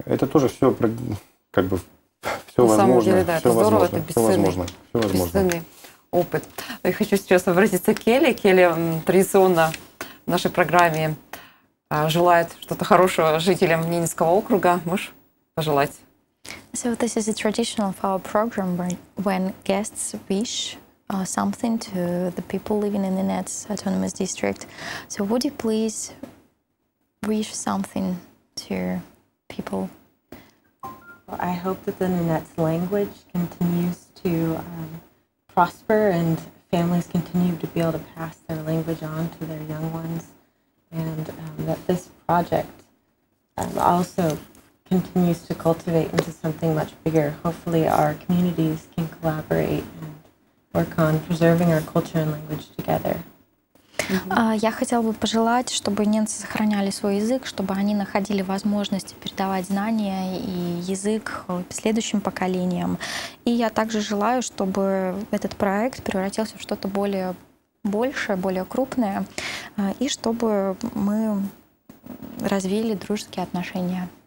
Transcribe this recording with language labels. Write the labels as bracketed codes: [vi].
[ru] Это тоже все, как бы, все возможно. На самом деле, да, это здорово, это бесценно. Все возможно. Бесценный опыт. Я хочу сейчас обратиться к Келли. Келли традиционно в нашей программе желает что-то хорошего жителям Ненецкого округа. Можешь пожелать? [en] So this is a tradition of our program when guests wish something to the people living in the Nenets Autonomous District. So would you please wish something to your people? Well, I hope that the Nenets language continues to prosper and families continue to be able to pass their language on to their young ones. And that this project also continues to cultivate into something much bigger. Hopefully our communities can collaborate and work on preserving our culture and language together. [ru] Я хотела бы пожелать, чтобы ненцы сохраняли свой язык, чтобы они находили возможность передавать знания и язык следующим поколениям. И я также желаю, чтобы этот проект превратился в что-то более большее, более крупное, и чтобы мы развили дружеские отношения.